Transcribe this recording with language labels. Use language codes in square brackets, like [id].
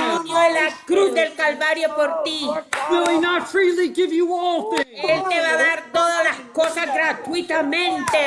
[es] Él murió en la cruz del Calvario por ti. [en] Will he not freely give you all things? [es] Él te va a dar todas las cosas gratuitamente.